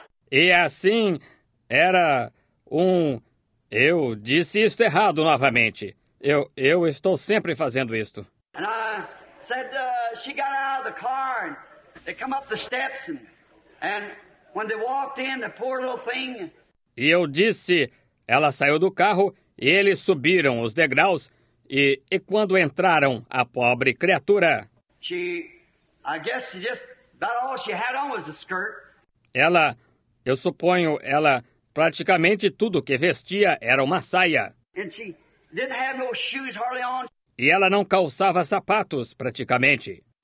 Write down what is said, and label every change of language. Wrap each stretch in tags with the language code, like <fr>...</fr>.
<pt>E assim era eu disse isto errado novamente. Eu estou sempre fazendo isto.</pt> <en>And I said, she got out of the car and they come up the steps and when they walked in, the poor little thing.</en> <pt>E eu disse, ela saiu do carro e eles subiram os degraus e quando entraram, a pobre criatura.</pt> <en>She, I guess she just, about all she had on was a skirt.</en> <pt>Ela, eu suponho, ela, praticamente tudo que vestia era uma saia.</pt> <en>And she didn't have no shoes hardly on.</en> <pt>E ela não calçava sapatos, praticamente.</pt>